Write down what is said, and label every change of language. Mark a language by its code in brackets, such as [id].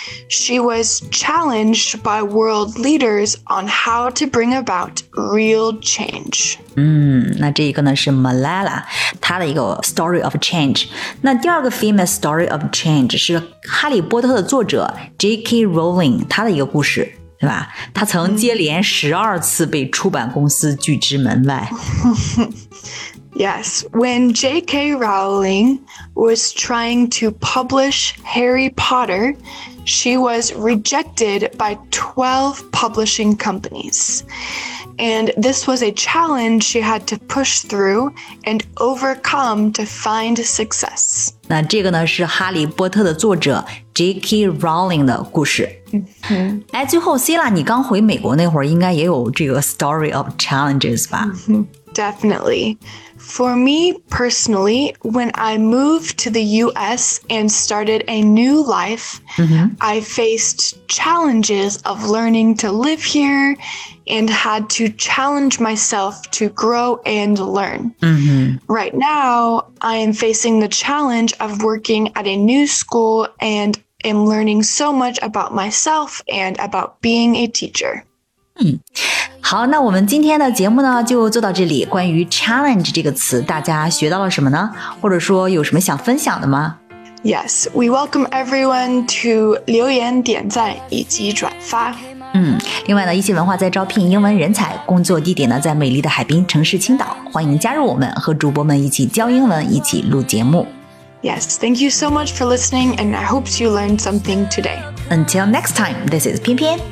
[en] She was challenged by world leaders on how to bring about real change. [zh] 那这一个呢是 Malala, 她的一个 [en] story of change。 [zh] 那第二个 [en] famous story of change [zh] 是哈利波特的作者 J.K. Rowling, 她的一个故事，对吧？她曾接连12次被出版公司拒之门外。 [en] Yes, when J.K. Rowling was trying to publish Harry Potter, she was rejected by 12 publishing companies. And this was a challenge she had to push through and overcome to find success. [zh] 那这个呢是哈利波特的作者 J.K. Rowling 的故事。哎，最后 Sila, 你刚回美国那会儿应该也有这个 [en] story of challenges [zh] 吧。 [en] Definitely. For me personally, when I moved to the US and started a new life, I faced challenges of learning to live here and had to challenge myself to grow and learn. Right now, I am facing the challenge of working at a new school and am learning so much about myself and about being a teacher. [zh] 好，那我们今天的节目呢就做到这里。关于 challenge 这个词，大家学到了什么呢？或者说有什么想分享的吗？ [en] Yes, we welcome everyone to [zh] 留言、点赞以及转发。另外呢，一席文化在招聘英文人才，工作地点呢在美丽的海滨城市青岛，欢迎加入我们，和主播们一起教英文，一起录节目。 [en] Yes, thank you so much for listening, and I hope you learned something today. Until next time, this is Pian Pian.